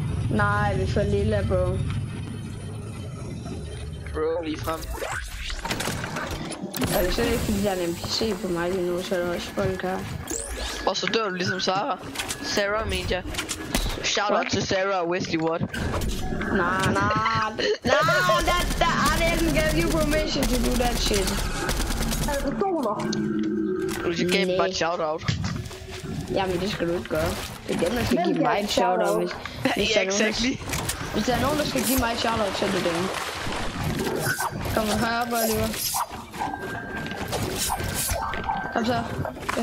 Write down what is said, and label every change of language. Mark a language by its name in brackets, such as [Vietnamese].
[Danish] Nej, vi får lilla, bro. Bro, lige frem. Er det slet ikke, fordi der er en NPC på mig lige nu, så er der også folk her. Og så dør du ligesom Sarah. Sarah, mente jeg. Shout out til Sarah og Wesley Wood. [English] Nah, I didn't give you permission to do that shit. [Danish] Du skal give mig et shout out. Jamen det skal du ikke gøre. Det er dem der skal give mig et shout out. Hvis ja, exactly. Hvis der er nogen der skal give mig et shout out, så er det dem. Kom og hør op, Oliver. Kom så. Det